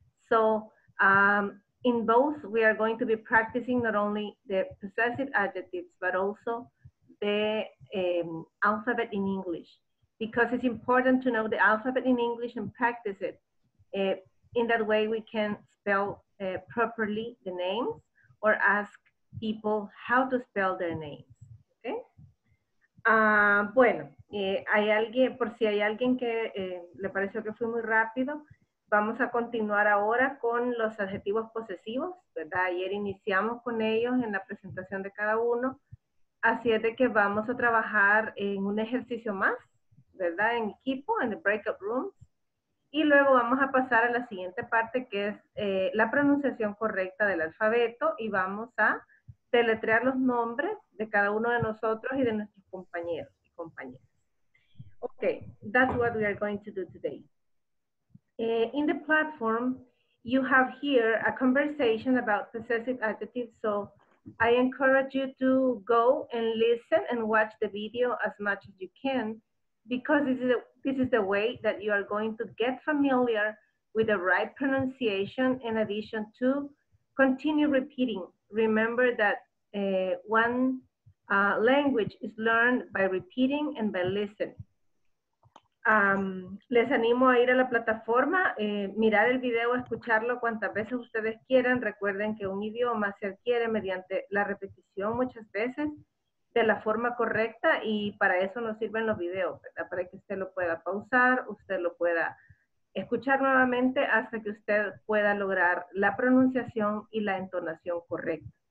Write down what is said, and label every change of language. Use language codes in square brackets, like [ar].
[en] So in both, we are going to be practicing not only the possessive adjectives, but also the alphabet in English, because it's important to know the alphabet in English and practice it. In that way, we can spell properly the names or ask people how to spell their names. Okay. [es] Bueno, hay alguien, por si hay alguien que le pareció que fue muy rápido, vamos a continuar ahora con los adjetivos posesivos, ¿verdad? Ayer iniciamos con ellos en la presentación de cada uno. Así es de que vamos a trabajar en un ejercicio más, ¿verdad? En equipo, en the breakout rooms. Y luego vamos a pasar a la siguiente parte, que es la pronunciación correcta del alfabeto, y vamos a deletrear los nombres de cada uno de nosotros y de nuestros compañeros y compañeras. [en] Okay, that's what we are going to do today. In the platform, you have here a conversation about possessive adjectives, so I encourage you to go and listen and watch the video as much as you can, because this is the way that you are going to get familiar with the right pronunciation, in addition to continue repeating. Remember that one language is learned by repeating and by listening. [es] Les animo a ir a la plataforma, mirar el video, escucharlo cuantas veces ustedes quieran. Recuerden que un idioma se adquiere mediante la repetición muchas veces, de la forma correcta, y para eso nos sirven los videos, ¿verdad? Para que usted lo pueda pausar, usted lo pueda escuchar nuevamente hasta que usted pueda lograr la pronunciación y la entonación correcta.